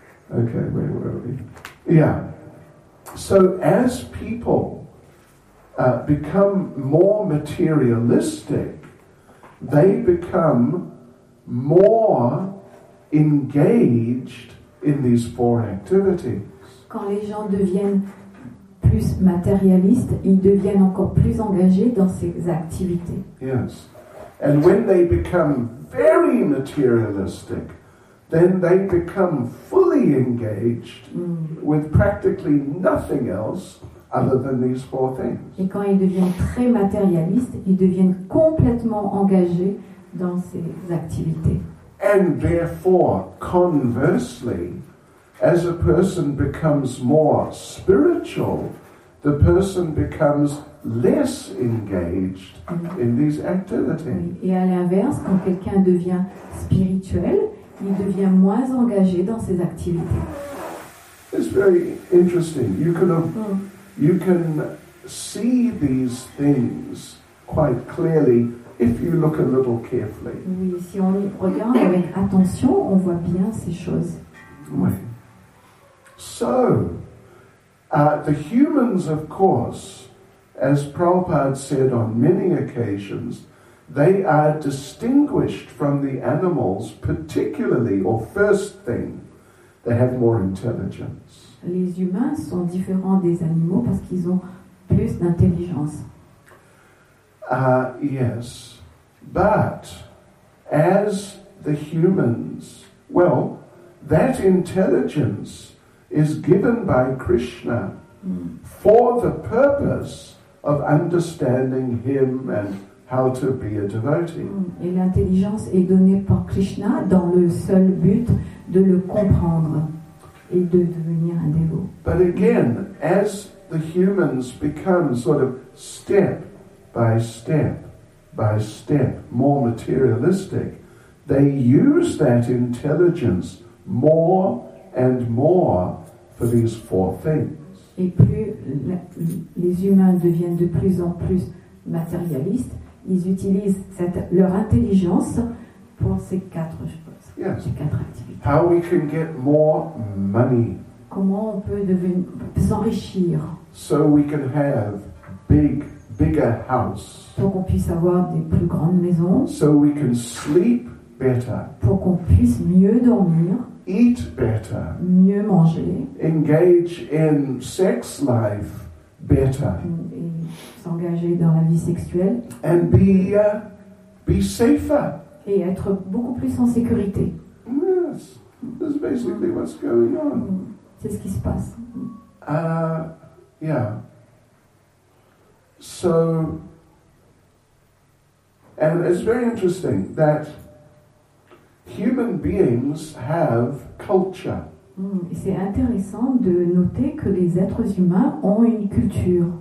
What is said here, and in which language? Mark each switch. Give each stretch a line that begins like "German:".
English: Okay, where were we? Yeah. So as people become more materialistic, they become more engaged in these four activities.
French: Quand les gens deviennent plus matérialistes, ils deviennent encore plus engagés dans ces activités.
English: Yes. And when they become very materialistic, then they become fully engaged with practically nothing else other than these four things.
French: Et quand ils deviennent très matérialistes, ils deviennent complètement engagés dans ces activités.
English: And therefore, conversely, as a person becomes more spiritual, the person becomes less engaged in these activities.
French: Et à l'inverse, quand quelqu'un devient spirituel, il devient moins engagé dans ses activités.
English: It's very interesting. You can see these things quite clearly if you look a little carefully.
French: Oui, si on regarde avec attention, on voit bien ces choses. Oui.
English: So, the humans, of course, as Prabhupada said on many occasions, they are distinguished from the animals, particularly, or first thing, they have more intelligence.
French: Les humains sont différents des animaux parce qu'ils ont plus d'intelligence.
English: Yes, but as the humans, well, that intelligence is given by Krishna for the purpose of understanding him and how to be a devotee.
French: Et l'intelligence est donnée par Krishna dans le seul but de le comprendre et de devenir un dévot.
English: But again, as the humans become sort of step by step by step more materialistic, they use that intelligence more and more for these four things.
French: Et plus les humains deviennent de plus en plus matérialistes, ils utilisent leur intelligence pour ces quatre choses,
English: yes,
French: ces quatre activités.
English: How we can get more money.
French: Comment on peut s'enrichir.
English: So we can have bigger house.
French: Pour qu'on puisse avoir des plus grandes maisons.
English: So we can sleep better.
French: Pour qu'on puisse mieux dormir.
English: Eat better.
French: Mieux manger.
English: Engage in sex life better.
French: Et s'engager dans la vie sexuelle.
English: And be safer.
French: Et être beaucoup plus en sécurité.
English: Yes, that's basically what's going on.
French: C'est ce qui se passe.
English: Yeah. So, and it's very interesting that human beings have culture.
French: C'est intéressant de noter que les êtres humains ont une culture.